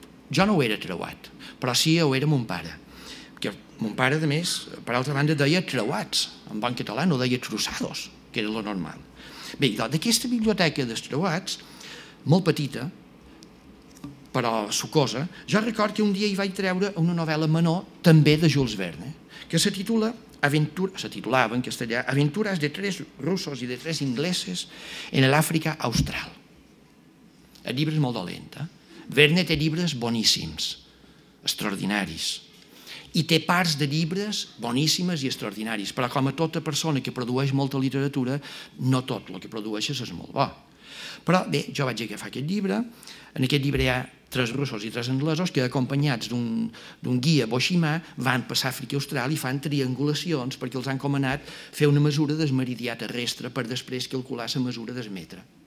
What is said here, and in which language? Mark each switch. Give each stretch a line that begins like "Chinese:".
Catalan: Jo no ho era creuat, però sí ho era mon pare. Mon pare, a més, per altra banda, deia creuats, en bon català, no deia trossados, que era lo normal. Bé, d'aquesta biblioteca dels creuats, molt petita, però sucosa, jo record que un dia hi vaig treure una novel·la menor, també de Jules Verne, que se titula
Spanish: aventuras, se titulaba en castellà, aventuras de tres rusos y de tres ingleses en el África Austral.
Catalan: El llibre és molt dolent. Verne té llibres boníssims, extraordinaris, i té parts de llibres boníssimes i extraordinaris, però com a tota persona que produeix molta literatura, no tot el que produeixes és molt bo. Però bé, jo vaig agafar aquest llibre. En aquest llibre hi ha tres russos i tres anglesos que, acompanyats d'un guia boiximà, van passar a Àfrica Austral i fan triangulacions perquè els han comanat fer una mesura del meridià terrestre per després calcular la mesura del metre.